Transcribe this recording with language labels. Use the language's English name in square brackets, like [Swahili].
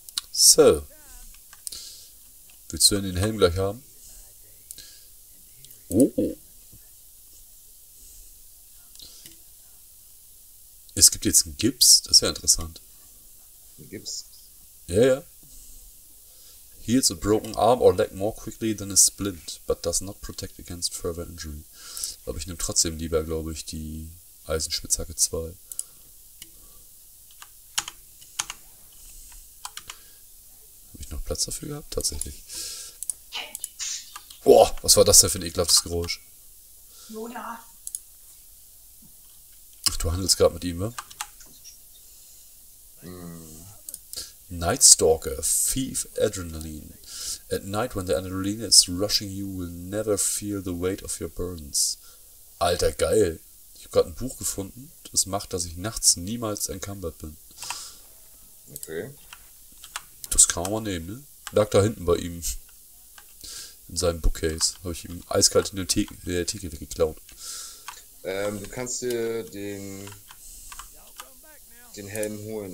[German] So. Willst du denn den Helm gleich haben? Oh. Es gibt jetzt einen Gips, das ist ja interessant. Ein Gips? Ja, ja. [English] Heals a broken arm or leg more quickly than a splint, but does not protect against further injury. [German] Aber ich nehme trotzdem lieber, glaube ich, die Eisenspitzhacke 2. Habe ich noch Platz dafür gehabt? Tatsächlich. Boah, was war das denn für ein ekelhaftes Geräusch? Yoda. Ach, du handelst gerade mit ihm, wa? Night Stalker, Thief Adrenaline. [English] At night when the adrenaline is rushing, you will never feel the weight of your burdens. [German] Alter, geil. Ich habe gerade ein Buch gefunden, das macht, dass ich nachts niemals encumbered bin. Okay. Das kann man nehmen, ne? Lag da hinten bei ihm. In seinem Bookcase. Habe ich ihm eiskalt in der Theke weggeklaut. Du kannst dir den Helm holen.